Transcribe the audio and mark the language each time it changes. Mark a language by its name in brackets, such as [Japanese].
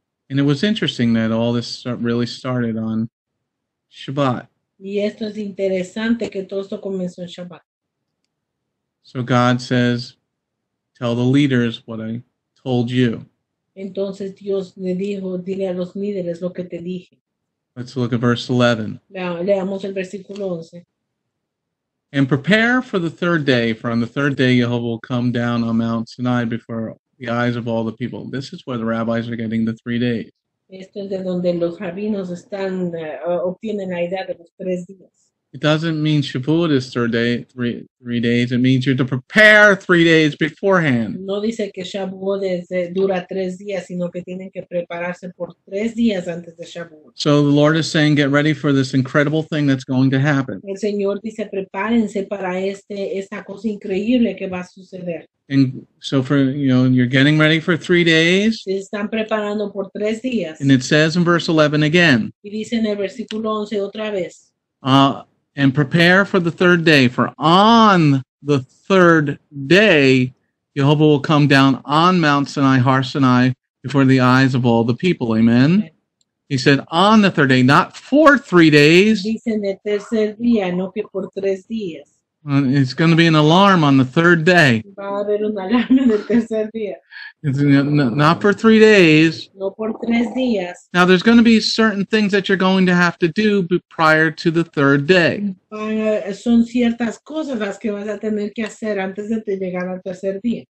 [English] And it was interesting that all this really started on Shabbat. [Spanish] Y esto es interesante que todo esto comenzó en Shabbat. [English] So God says, tell the leaders what I told you. [Spanish] Entonces Dios le dijo, dile a los líderes lo que te dije. [English] Let's look at verse 11. [Spanish] Leamos el versículo 11. [English] And prepare for the third day, for on the third day Yehovah will come down on Mount Sinai before the eyes of all the people. This is where the rabbis are getting the 3 days. [Spanish] Esto es de donde los rabinos están, obtienen la idea de los tres días. [English] It doesn't mean Shavuot is three days. It means you have to prepare 3 days beforehand. [Spanish] No dice que Shavuot dura tres días, sino que tienen que prepararse por tres días antes de Shavuot. [English] So the Lord is saying, get ready for this incredible thing that's going to happen. [Spanish] El Señor dice, prepárense para esta cosa increíble que va a suceder. [English] And so you're getting ready for 3 days. [Spanish] Se están preparando por tres días. [English] And it says in verse 11 again. [Spanish] Y dice en el versículo 11 otra vez. [English] And prepare for the third day, for on the third day, Jehovah will come down on Mount Sinai, Har Sinai, before the eyes of all the people. Amen. Okay. He said, on the third day, not for 3 days. [Spanish] Dicen el tercer día, no que por tres días. [English] It's going to be an alarm on the third day. [Spanish] Va a haber una alarma en el tercer día. [English] It's not for 3 days. [Spanish] No por tres días. [English] Now there's going to be certain things that you're going to have to do prior to the third day. [Spanish] Son ciertas cosas las que vas a tener que hacer antes de llegar al tercer día.